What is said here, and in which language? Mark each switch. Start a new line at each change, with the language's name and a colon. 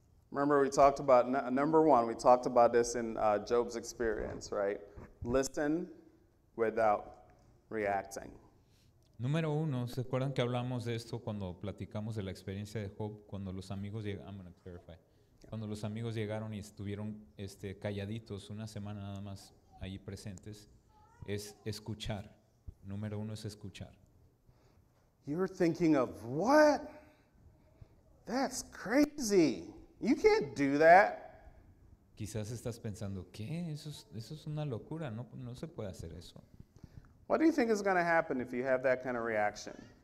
English: Remember we talked about number one, we talked about this in Job's experience, right? Listen without reacting.
Spanish: Número uno, ¿se acuerdan que hablamos de esto cuando platicamos de la experiencia de Job? Cuando los amigos llegaron y estuvieron calladitos una semana nada más ahí presentes, es escuchar. Número uno es escuchar.
English: You're thinking of what? That's crazy. You can't do that.
Spanish: Quizás estás pensando, ¿qué? Eso es una locura, no se puede hacer eso.
English: What do you think is going to happen if you have that kind of reaction?